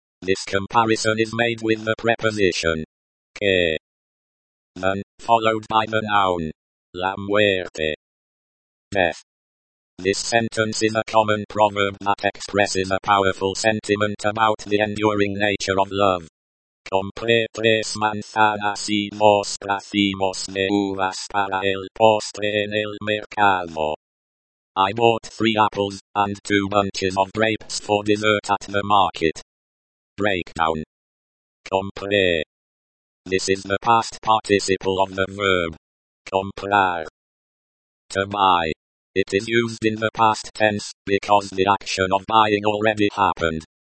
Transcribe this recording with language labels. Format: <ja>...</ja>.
<en>This comparison is made with the preposition que, then, followed by the noun</en> <es>la muerte,</es> <en>death. This sentence is a common proverb that expresses a powerful sentiment about the enduring nature of love.</en> <es>Compré tres manzanas y dos racimos de uvas para el postre en el mercado.</es> <en>I bought 3 apples and 2 bunches of grapes for dessert at the market. Breakdown. Compré. This is the past participle of the verb. Comprar. To buy. It is used in the past tense, because the action of buying already happened.</en>